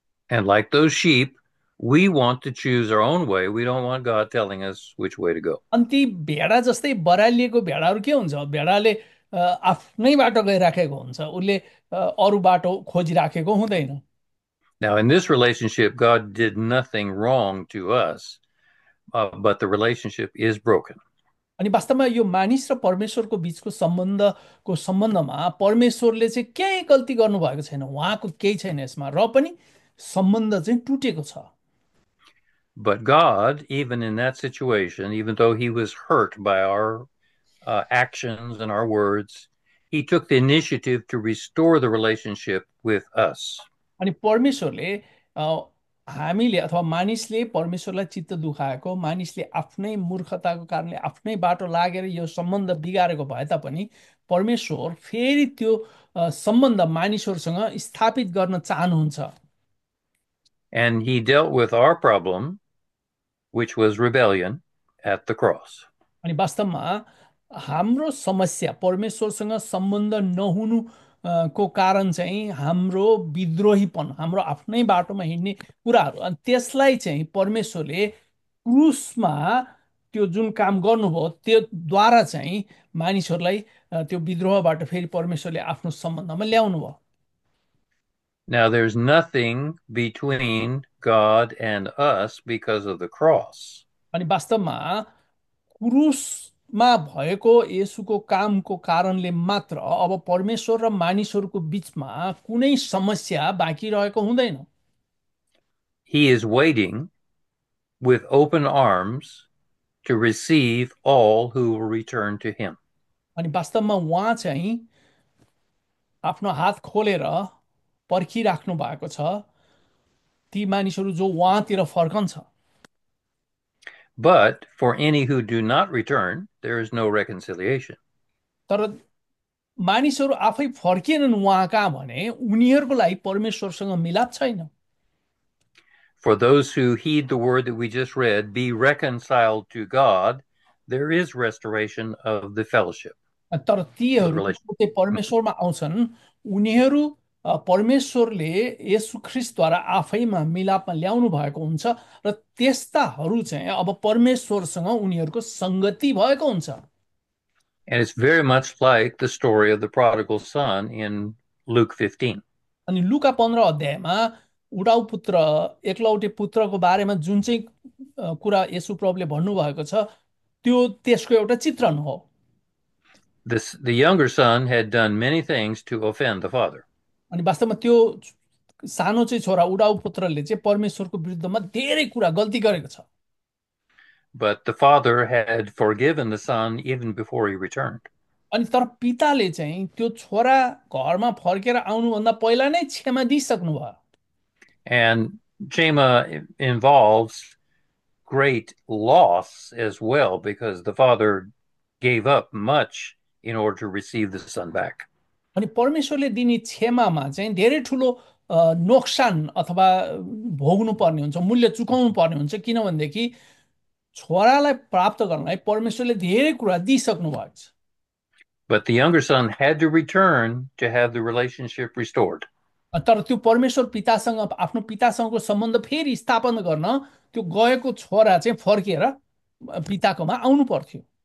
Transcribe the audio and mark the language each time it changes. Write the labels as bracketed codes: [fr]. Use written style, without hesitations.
[en] And like those sheep, we want to choose our own way. We don't want God telling us which way to go. [ne] अन्ति भेडा जस्तै बरालिएको भेडाहरू के हुन्छ, भेडाले आफ्नै बाटो गइराखेको हुन्छ, उसले अरू बाटो खोजिराखेको हुँदैन। [en] Now, in this relationship, God did nothing wrong to us, but the relationship is broken. [ne] अनि वास्तवमा यो मानिस र परमेश्वरको बिचको सम्बन्धको सम्बन्धमा परमेश्वरले चाहिँ केही गल्ती गर्नुभएको छैन, उहाँको केही छैन यसमा, र पनि सम्बन्ध चाहिँ टुटेको छ। [en] But God, even in that situation, even though he was hurt by our actions and our words, he took the initiative to restore the relationship with us. [ne] अनि परमेश्वरले हामीले अथवा मानिसले परमेश्वरलाई चित्त दुखाएको, मानिसले आफ्नै मूर्खताको कारणले आफ्नै बाटो लागेर यो सम्बन्ध बिगारेको भए तापनि परमेश्वर फेरि त्यो सम्बन्ध मानिसहरूसँग स्थापित गर्न चाहनुहुन्छ। [en] And he dealt with our problem, which was rebellion, at the cross. [ne] अनि वास्तवमा हाम्रो समस्या परमेश्वरसँग सम्बन्ध नहुनु को कारण चाहिँ हाम्रो विद्रोहीपन, हाम्रो आफ्नै बाटोमा हिँड्ने कुराहरू, अनि त्यसलाई चाहिँ परमेश्वरले क्रुसमा त्यो जुन काम गर्नुभयो त्योद्वारा चाहिँ मानिसहरूलाई त्यो विद्रोहबाट फेरि परमेश्वरले आफ्नो सम्बन्धमा ल्याउनुभयो। [en] Now, there's nothing between God and us because of the cross. [ne] अनि वास्तवमा क्रुसमा भएको येशूको कामको कारणले मात्र अब परमेश्वर र मानिसहरूको बिचमा कुनै समस्या बाँकी रहेको हुँदैन। [en] He is waiting with open arms to receive all who will return to him. [ne] अनि वास्तवमा उहाँ चाहिँ आफ्नो हात खोलेर पर्खिराख्नु भएको छ ती मानिसहरू जो उहाँतिर फर्कन्छ। [en] But for any who do not return, there is no reconciliation. [ne] तर मानिसहरू आफै फर्किएनन् उहाँ कहाँ भने उनीहरूको लागि परमेश्वरसँग मिलाप छैन। [en] For those who heed the word that we just read, be reconciled to God, there is restoration of the fellowship, [ne] तर [en] the [ne] तीहरू [en] relationship. [ne] जो परमेश्वरमा आउँछन् उनीहरू परमेश्वरले येशु ख्रिस्टद्वारा आफैमा मिलापमा ल्याउनु भएको हुन्छ र त्यस्ताहरू चाहिँ अब परमेश्वरसँग उनीहरूको सङ्गति भएको हुन्छ। [en] And it's very much like the story of the prodigal son in Luke 15. [ne] अनि लुका 15 अध्यायमा उडाउ पुत्र एकलौटे पुत्रको बारेमा जुन चाहिँ कुरा येशु प्रभुले भन्नुभएको छ त्यो त्यसको एउटा चित्रण हो। [en] The younger son had done many things to offend the father. [ne] अनि वास्तवमा त्यो सानो चाहिँ छोरा उडाउ पुत्रले चाहिँ परमेश्वरको विरुद्धमा धेरै कुरा गल्ती गरेको छ। [en] But the father had forgiven the son even before he returned. [ne] अनि तर पिताले चाहिँ त्यो छोरा घरमा फर्केर आउनुभन्दा पहिला नै क्षमा दिइसक्नु भयो। [en] And Chema involves great loss as well because the father gave up much in order to receive the son back. [ne] अनि परमेश्वरले दिने क्षमामा चाहिँ धेरै ठुलो नोक्सान अथवा भोग्नु पर्ने हुन्छ, मूल्य चुकाउनु पर्ने हुन्छ, किनभनेदेखि छोरालाई प्राप्त गर्नलाई परमेश्वरले धेरै कुरा दिइसक्नु भएको छ। [en] But the younger son had to return to have the relationship restored. [ne] तर त्यो परमेश्वर पितासँग आफ्नो पितासँगको सम्बन्ध फेरि स्थापन गर्न त्यो गएको छोरा चाहिँ फर्केर पिताकोमा आउनु पर्थ्यो।